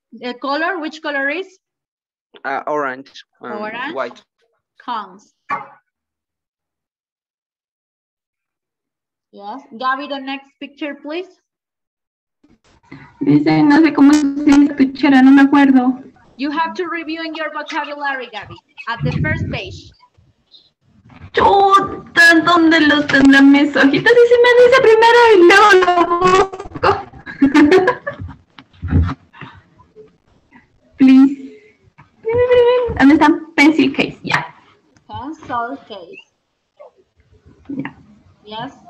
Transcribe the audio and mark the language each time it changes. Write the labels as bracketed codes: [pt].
[en] The color, which color is? Orange. Orange. White. Comes. Yes. Gabby, the next picture, please. [es] Dice, no sé cómo se dice tu chera, no me acuerdo. [en] You have to review in your vocabulary, Gabby, at the first page. [es] Chuta, ¿dónde los tendrán mis ojitos? Y se me dice primero y luego lo busco. [en] Please. [es] ¿Dónde están? [en] Pencil case, ya. Pencil case. Yes.